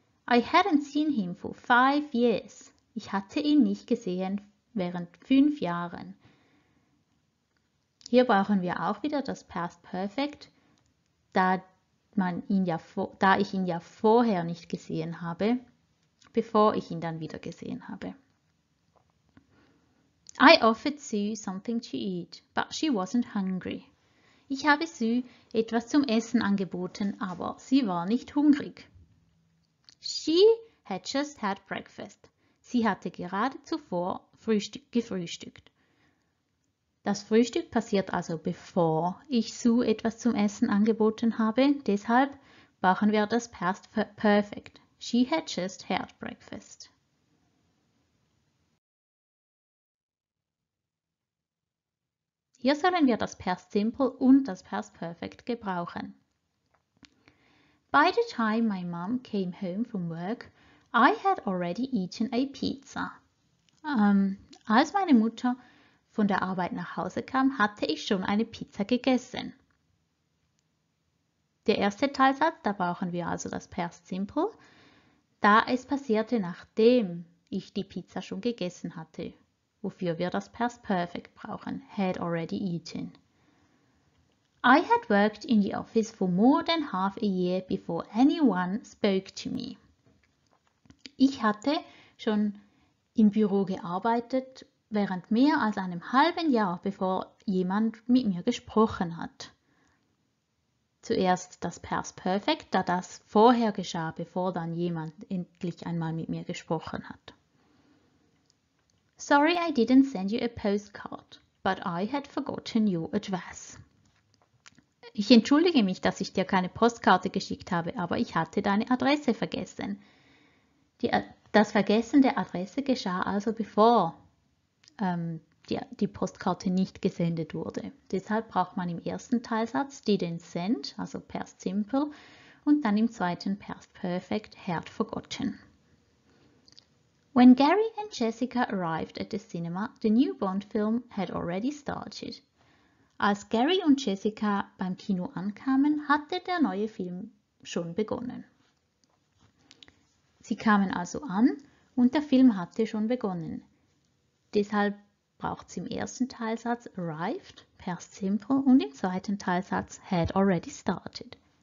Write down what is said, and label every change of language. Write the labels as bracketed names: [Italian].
[English] I hadn't seen him for 5 years. [German] Ich hatte ihn nicht gesehen während 5 Jahren. Hier brauchen wir auch wieder das Past Perfect, da ich ihn ja vorher nicht gesehen habe, bevor ich ihn dann wieder gesehen habe. [English] I offered Sue something to eat, but she wasn't hungry. [German] Ich habe Sue etwas zum Essen angeboten, aber sie war nicht hungrig. [English] She had just had breakfast. [German] Sie hatte gerade zuvor gefrühstückt. Das Frühstück passiert also, bevor ich Sue etwas zum Essen angeboten habe. Deshalb brauchen wir das Past Perfect. [English] She had just had breakfast. [German] Hier sollen wir das Past Simple und das Past Perfect gebrauchen. [English] By the time my mom came home from work, I had already eaten a pizza. [German] Als meine Mutter von der Arbeit nach Hause kam, hatte ich schon eine Pizza gegessen. Der erste Teilsatz, da brauchen wir also das Past Simple, da es passierte, nachdem ich die Pizza schon gegessen hatte, wofür wir das Past Perfect brauchen, [English] had already eaten. I had worked in the office for more than half a year before anyone spoke to me. [German] Ich hatte schon im Büro gearbeitet während mehr als einem halben Jahr, bevor jemand mit mir gesprochen hat. Zuerst das Past Perfect, da das vorher geschah, bevor dann jemand endlich einmal mit mir gesprochen hat. [English] Sorry, I didn't send you a postcard, but I had forgotten your address. [German] Ich entschuldige mich, dass ich dir keine Postkarte geschickt habe, aber ich hatte deine Adresse vergessen. Das Vergessen der Adresse geschah also, bevor die Postkarte nicht gesendet wurde. Deshalb braucht man im ersten Teilsatz [English] didn't send, [German] also past simple, und dann im zweiten past perfect, [English] had forgotten. When Gary and Jessica arrived at the cinema, the new Bond film had already started. [German] Als Gary und Jessica beim Kino ankamen, hatte der neue Film schon begonnen. Sie kamen also an und der Film hatte schon begonnen. Deshalb braucht es im ersten Teilsatz arrived, past simple, und im zweiten Teilsatz [English] had already started.